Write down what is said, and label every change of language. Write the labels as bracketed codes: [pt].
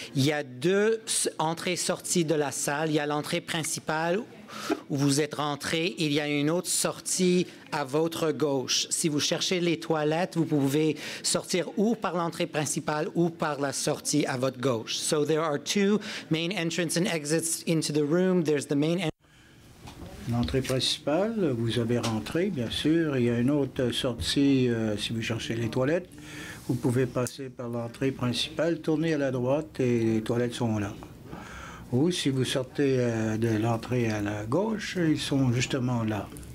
[fr] Il y a deux entrées-sorties de la salle. Il y a l'entrée principale où vous êtes rentré. Il y a une autre sortie à votre gauche. Si vous cherchez les toilettes, vous pouvez sortir ou par l'entrée principale ou par la sortie à votre gauche. [en] So there are two main entrance and exits into the room. There's the main entrance. [fr] L'entrée principale, vous avez rentré, bien sûr. Il y a une autre sortie, si vous cherchez les toilettes. Vous pouvez passer par l'entrée principale, tourner à la droite et les toilettes sont là. Ou si vous sortez de l'entrée à la gauche, ils sont justement là.